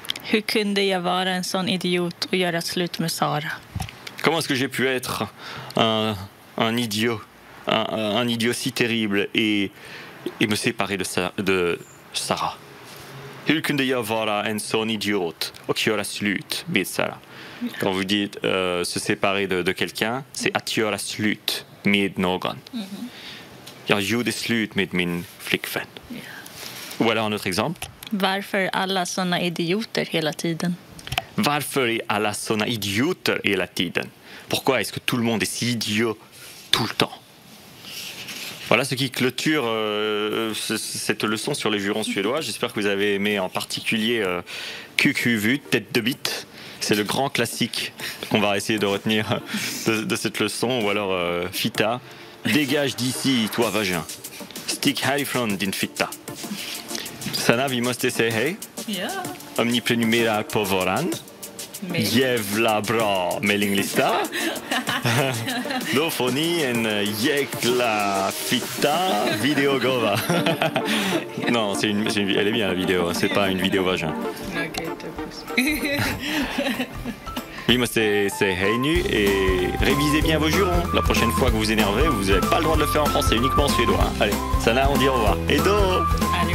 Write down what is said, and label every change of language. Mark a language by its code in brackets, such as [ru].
[sv] Hur kunde jag vara en sån idiot och göra slut med Sara? [fr] Comment est-ce que j'ai pu être un idiot si terrible et me séparer de Sarah? [sv] Hur kunde jag vara en sån idiot och göra slut med Sarah? [fr] Quand vous dites se séparer de quelqu'un, c'est [sv] att göra slut med någon. Jag gjorde slut med min flickvän. Yeah. Och vad är något exempel? Varför är alla såna idioter hela tiden? Varför är alla såna idioter hela tiden? [fr] Pourquoi est-ce que tout le monde est si idiot tout le temps? Voilà ce qui clôture cette leçon sur les jurons suédois. J'espère que vous avez aimé en particulier QQVU, tête de bite. C'est le grand classique qu'on va essayer de retenir de cette leçon. Ou alors Fitta, dégage d'ici, toi vagin. [sv] Stick härifrån din fitta. Sanna, vi måste säga hej. [en] Yeah. [sv] Om ni prenumererar på våran. Jävla bra mailinglista. Då får ni en jäkla fitta videogåva. [fr] Non, c'est une, c'est une, elle est bien la vidéo, c'est pas une vidéo vagin. Ok, t'as plus. Oui, moi c'est hey nu et révisez bien vos jurons. La prochaine fois que vous énervez, vous n'avez pas le droit de le faire en français, uniquement en suédois. Allez, Sana, on dit au revoir. Et do.